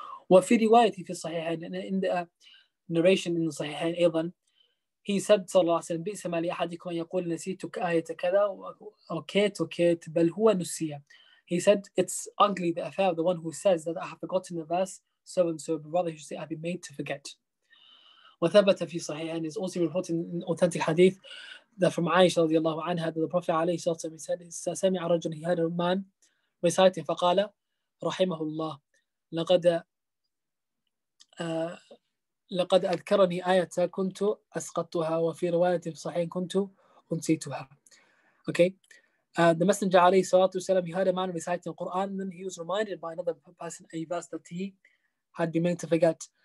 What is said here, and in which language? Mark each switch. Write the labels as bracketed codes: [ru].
[ar] وفي رواية في الصحيح, [en] in the narration in Sahihain, Aidan, he said, Sallallahu Alaihi Wasallam, [ar] بِئْسَ مَا لِأَحَدِكُمْ أَنْ يَقُولَ نَسِيتُكَ آيَةَ كَذَا وَكَيْتْ بَلْ هُوَ نُسِيَ. [en] He said, it's ugly, the affair of the one who says that I have forgotten the verse so and so, but rather he should say, I have been made to forget. [ar] وَثَبَتَ فِي صَحِيحَيْن, [en] is also reported in authentic hadith that from Aisha [ar] رضي الله عنها, [en] that the Prophet [ar] عليه الصلاة والسلام, [en] he said, [ar] سَمِعَ رَجُلٌ, [en] he heard a man reciting, [ar] فَقَالَ رَحِمَهُ اللَّهُ لَقَدَ لقد أذكرني آية كنت أسقطتها وفي رواية صحيح كنت أنسيتها. [en] Okay, the Messenger [ar] عليه الصلاة والسلام, [en] he heard a man reciting the Quran, and then he was reminded by another person a verse that he had been made to forget.